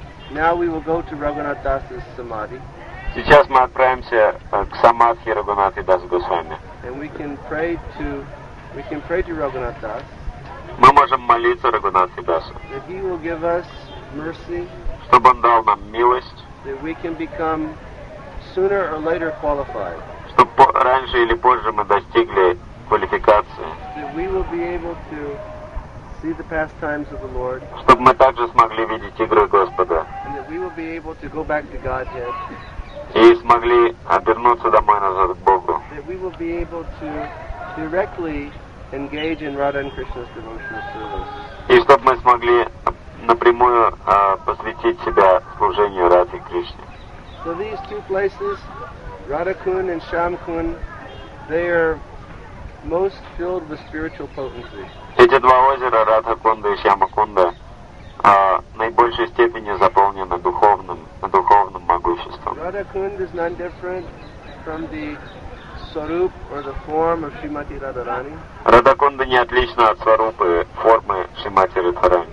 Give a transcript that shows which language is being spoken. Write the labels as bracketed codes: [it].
[en] Now we will go to Raghunath Das's Samadhi. [ru] Сейчас мы отправимся к Самадхи Рагунатхи Дас Госвами. [en] And we can pray to Raghunath Das. [ru] Мы можем молиться Рагунатхи Дасу. [en] That he will give us mercy. [ru] Чтобы он дал нам милость. [en] That we can become sooner or later qualified. [ru] Чтобы раньше или позже мы достигли квалификации. [en] That we will be able to see the pastimes of the Lord. [ru] Чтобы мы также смогли видеть игры Господа. [en] And that we will be able to go back to Godhead. [ru] И смогли обернуться домой назад к Богу. [en] That we will be able to directly engage in Radha and Krishna's devotional service. [ru] И чтобы мы смогли напрямую посвятить себя служению Радхе и Кришне. [en] So these two places, Radha Kund and Shyam Kund, they are most filled with spiritual potency. [ru] Эти два озера, Радхакунда и Шьямакунда, наибольшей степени заполнены духовным могуществом. [en] Радхакунда is not different from the сваруп or the form of Шримати Радхарани. [ru] Радхакунда не отлична от сварупы формы Шримати Радхарани.